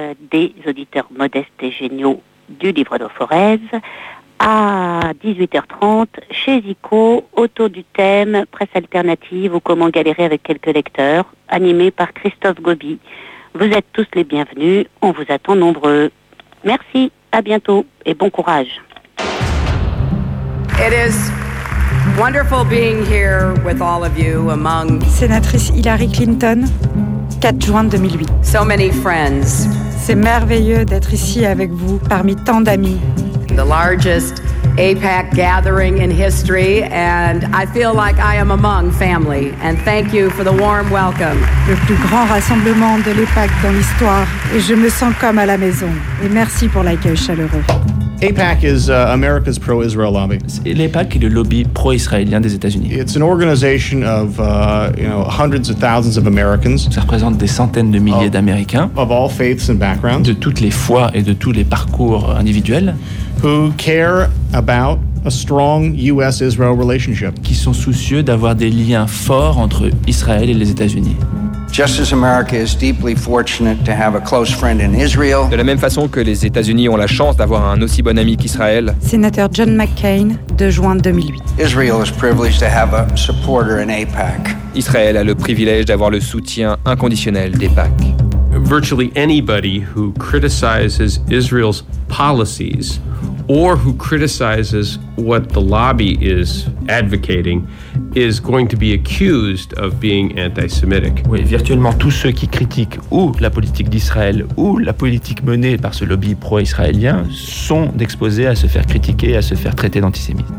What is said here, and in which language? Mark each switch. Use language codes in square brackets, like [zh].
[fr] des auditeurs modestes et géniaux du livre de Forez à 18h30 chez Zico autour du thème Presse alternative ou comment galérer avec quelques lecteurs, animé par Christophe Gobi. Vous êtes tous les bienvenus, on vous attend nombreux. Merci, à bientôt et bon courage. [en] It is wonderful being here with all of you among [fr] Sénatrice Hillary Clinton, 4 juin 2008. [en] So many friends. [fr] C'est merveilleux d'être ici avec vous parmi tant d'amis. [en] The largest APAC gathering in history, and I feel like I am among family. And thank you for the warm welcome. [fr] Le plus grand rassemblement de l'APAC dans l'histoire, et je me sens comme à la maison. Et merci pour l'accueil chaleureux. [en] APAC is America's pro-Israel lobby. [fr] L'APAC est le lobby pro-israélien des États-Unis. [en] It's an organization of hundreds of thousands of Americans. [fr] Ça représente des centaines de milliers d'Américains. [en] Of all faiths and backgrounds. [fr] De toutes les fois et de tous les parcours individuels. [en] Who care about a strong U.S.-Israel relationship. [fr] Qui sont soucieux d'avoir des liens forts entre Israël et les États-Unis. [en] Just as America is deeply fortunate to have a close friend in Israel. [fr] De la même façon que les États-Unis ont la chance d'avoir un aussi bon ami qu'Israël. Sénateur John McCain, 2 juin 2008. [en] Israel is privileged to have a supporter in APAC. [fr] Israël a le privilège d'avoir le soutien inconditionnel d'APAC. [en] Virtually anybody who criticizes Israel's policies or who criticizes what the lobby is advocating is going to be accused of being anti-Semitic. [fr] Oui, virtuellement tous ceux qui critiquent ou la politique d'Israël ou la politique menée par ce lobby pro-israélien sont exposés à se faire critiquer, à se faire traiter d'antisémite.